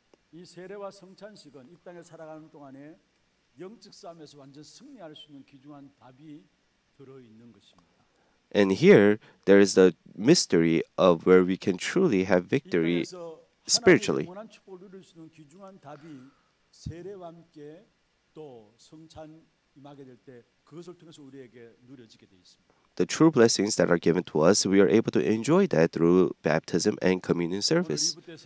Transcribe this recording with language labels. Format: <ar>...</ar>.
<ko>이 세례와 성찬식은 이 땅에 살아가는 동안에 영적 싸움에서 완전 승리할 수 있는 귀중한 답이 들어 있는 것입니다.</ko> <en>And here there is the mystery of where we can truly have victory spiritually.</en> <ko>이 땅에서 하나님의 영원한 축복을 누릴 귀중한 답이 세례와 함께 또 성찬 임하게 될 때 그것을 통해서 우리에게 누려지게 되어 있습니다.</ko> <en>The true blessings that are given to us, we are able to enjoy that through baptism and communion service.</en>